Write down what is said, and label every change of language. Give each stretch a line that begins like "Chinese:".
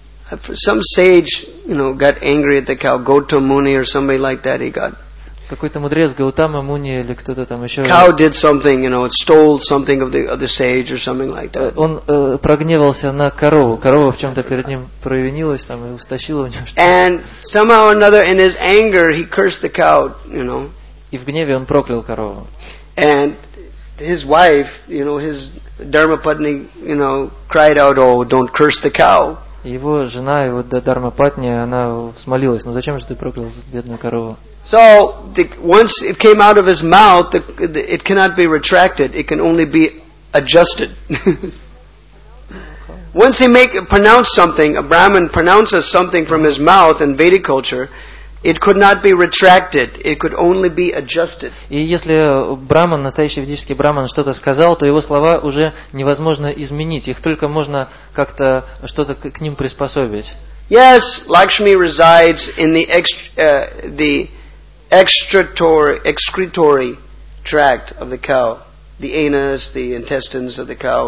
English: Some sage, you know, got angry at the cow. Gautama Muni or somebody like that. He got.
Russian: Какой-то мудрец Гаутама Муни или кто-то там еще.
English: Cow did something, you know, it stole something of the sage or something like that.
Russian: Он прогневался на корову. Корова в чем-то перед ним провинилась там и устащила у него что-то.
English: And somehow or another, in his anger, he cursed the cow, you know.
Russian: И в гневе он проклял корову.
English: And his wife, you know, his Dharmapatni, you know, cried out, "Oh, don't curse the cow."
Russian: Его жена, его Дхармапатни, она смолилась. Ну зачем же ты проклял бедную корову?
English: So once it came out of his mouth, it cannot be retracted. It can only be adjusted. Once he make pronounce something, a Brahmin pronounces something from his mouth in Vedic culture, it could not be retracted. It could only be adjusted.
Russian: И если Брахман, настоящий ведический Брахман, что-то сказал, то его слова уже невозможно изменить. Их только можно как-то что-то к ним приспособить.
English: Yes, Lakshmi resides in the excretory tract of the cow, the anus, the intestines of the cow.